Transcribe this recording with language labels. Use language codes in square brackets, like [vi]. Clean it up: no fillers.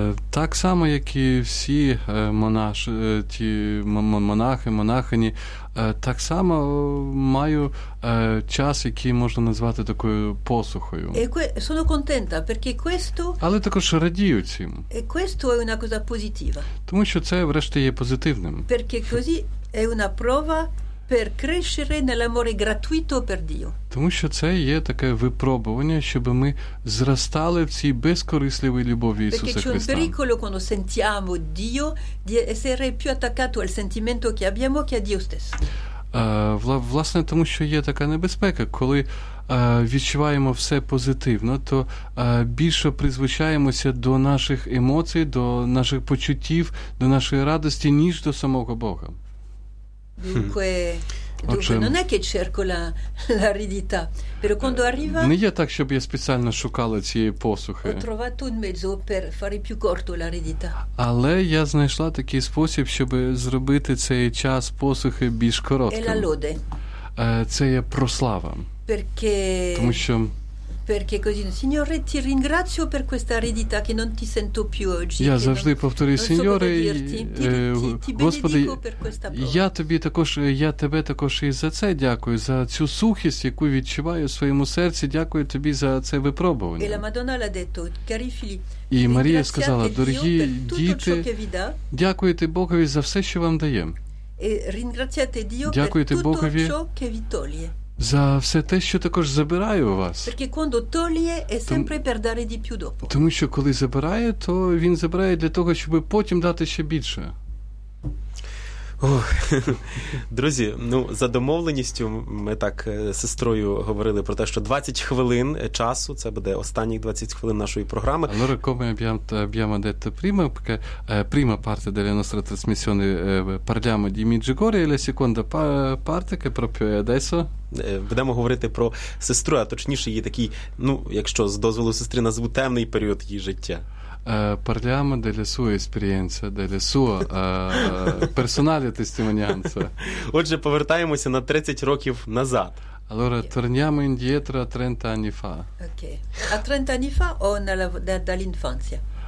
[uk] Так само, як і всі монахи, так само маю час, який можна назвати такою посухою. [it] Sono contenta, perché questo... [uk] Але також радію цим. [it] E questo è una cosa positiva. [uk] Тому що це, врешті, є позитивним. [it] Perché così è una prova... per crescere nell'amore gratuito per Dio. [uk] Тому що це є таке випробування, щоб ми зростали в цій безкорисливій любові Ісуса Христа. [it] Perché c'è un pericolo quando sentiamo Dio di essere più attaccato al sentimento che abbiamo che a Dio stesso. [uk] Власне, тому що є така небезпека, коли відчуваємо все позитивно, то більше призвичаємося до наших емоцій, до наших почуттів, до нашої радості, ніж до самого Бога. [it] Dunque, Dunque, non è che cerco l'aridità, però quando arriva... Non è [uk] так, щоб я спеціально шукала цієї посухи. [it] Ho trovato un mezzo per fare più corto l'aridità. [uk] Але я знайшла такий спосіб, щоб зробити цей час посухи більш коротким. [it] È la lode. [uk] Це є прослава. [it] Perché... [uk] Тому що... [it] Perché così, Signore, ti ringrazio per questa aridità che non ti sento più oggi. [uk] Я завжди повторюю, [it] Signore, ti benedico per questа [uk] прослава. Я тобі також, я тебе також і за це дякую, за цю сухість, яку відчуваю в своєму серці. Дякую тобі за це випробування. [it] E la Madonna l'ha detto, cari figli. [uk] І Марія сказала: "Дорогі діти, дякуйте Богові за все, що вам дає. [it] E ringraziate Dio per tutto ciò che vi toglie. [uk] За все те, що також забираю у вас. [it] Perché quando toglie è sempre per dare di più dopo. [uk] Тому що коли забирає, то він забирає для того, щоб потім дати ще більше. Друзі, ну, за домовленістю ми так з сестрою говорили про те, що 20 хвилин часу, це буде останніх 20 хвилин нашої програми. Ну, рекомендую [it] abbiamo detto prima perché prima parte della nostra trasmissione parliamo di Medjugorje e la seconda parte che proprio adesso [uk] будемо говорити про сестру, а точніше її такий, ну, якщо з дозволу сестри назву, темний період її життя. [it] Parliamo della sua esperienza, della sua personale testimonianza. [uk] Отже, повертаємося на 30 років назад. [it] Allora, torniamo indietro a 30 anni fa. Ok. A 30 anni fa o dall'infanzia?